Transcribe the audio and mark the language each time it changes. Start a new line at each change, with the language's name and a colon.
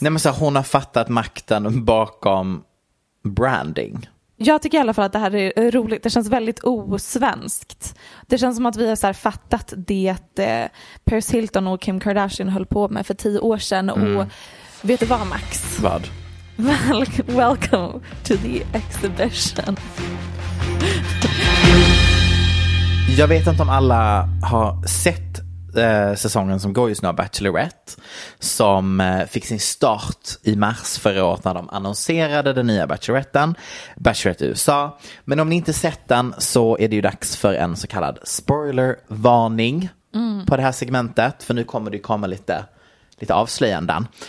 Swedish: Nej, men så här, hon har fattat makten bakom branding. Jag tycker i alla fall att det här är roligt. Det känns väldigt osvenskt. Det känns som att vi har så här fattat det Paris Hilton och Kim Kardashian höll på med för 10 år sedan. Mm. Och vet du vad, Max? Vad?
English: Welcome to the exhibition.
Swedish: Jag vet inte om alla har sett säsongen som går just nu av Bachelorette, som fick sin start i mars förra året när de annonserade den nya Bacheloretten, Bachelorette USA. Men om ni inte sett den så är det ju dags för en så kallad spoiler-varning på det här segmentet, för nu kommer det komma lite avslöjanden.